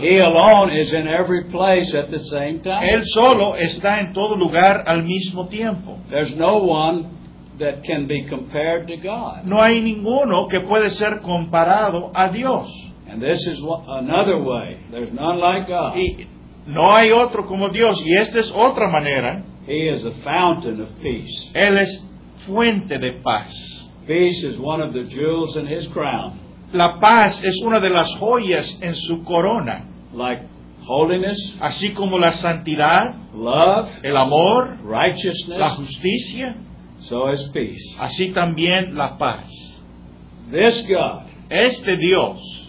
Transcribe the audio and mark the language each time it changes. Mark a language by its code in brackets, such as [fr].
[en] He alone is in every place at the same time. [es] Él solo está en todo lugar al mismo tiempo. [en] There's no one that can be compared to God. [es] No hay ninguno que puede ser comparado a Dios. [en] And this is another way. There's none like God. [es] Y no hay otro como Dios. Y esta es otra manera. [en] He is a fountain of peace. [es] Él es fuente de paz. [en] Peace is one of the jewels in his crown. [es] La paz es una de las joyas en su corona. [en] Like holiness. [es] Así como la santidad. [en] Love. [es] El amor. [en] Righteousness. [es] La justicia. [en] So is peace. [es] Así también la paz. [en] This God. [es] Este Dios.